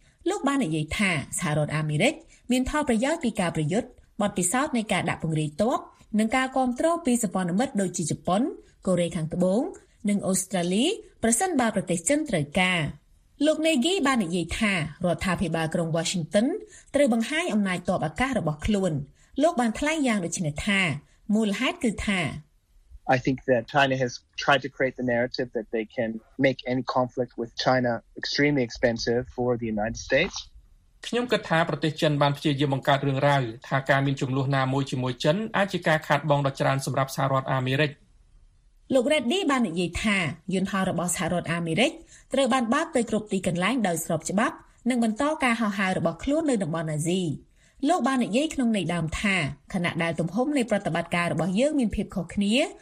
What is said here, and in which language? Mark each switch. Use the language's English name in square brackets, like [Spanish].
[Khmer] លោកបាននិយាយថាសហរដ្ឋអាមេរិកមានផលប្រយោជន៍ពីការប្រយុទ្ធបទពិសោធន៍នៃការដាក់ពង្រាយទ័ពនិងការគ្រប់គ្រងពីសហព័ន្ធមិត្តដូចជាជប៉ុនកូរ៉េខាងត្បូងនិងអូស្ត្រាលីប្រសិនបើប្រទេសចិនត្រូវការលោកណេហ្គីបាននិយាយថារដ្ឋាភិបាលក្រុង Washington ត្រូវបង្ហាញអំណាចទ័ពអាកាសរបស់ខ្លួនលោកបានថ្លែងយ៉ាងដូចនេះថាមូលហេតុគឺថា [English] I think that China has tried to create the narrative that they can make any conflict with China extremely expensive for the United States. [Khmer] ខ្ញុំគិតថាប្រទេសចិនបានព្យាយាមបង្កើតរឿងរ៉ាវថាការមានចំនួនណាមួយជាមួយចិនអាចជាការខាតបង់ដ៏ច្រើនសម្រាប់សហរដ្ឋអាមេរិក លោក Reddy បាននិយាយថាយន្តហោះរបស់សហរដ្ឋអាមេរិកត្រូវបានបើកទៅគ្រប់ទីកន្លែងដោយស្របច្បាប់និងបន្តការហោះហើររបស់ខ្លួននៅតំបន់អាស៊ីលោកបាននិយាយក្នុងន័យដើមថាខណៈដែលទំហំនៃប្រតិបត្តិការរបស់យើងមានភាពខុសគ្នា